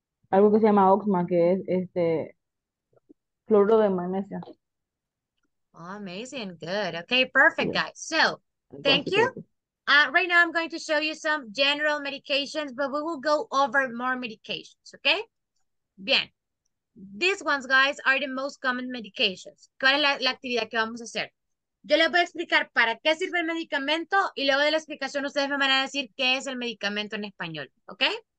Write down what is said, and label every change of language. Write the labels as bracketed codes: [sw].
[es] Algo que se llama Oxma, que es cloruro de magnesio. [en] Oh, amazing, good. Okay, perfect, guys. So, thank you. Right now, I'm going to show you some general medications, but we will go over more medications, okay? Bien. These ones, guys, are the most common medications. [es] ¿Cuál es la actividad que vamos a hacer? Yo les voy a explicar para qué sirve el medicamento y luego de la explicación ustedes me van a decir qué es el medicamento en español, okay?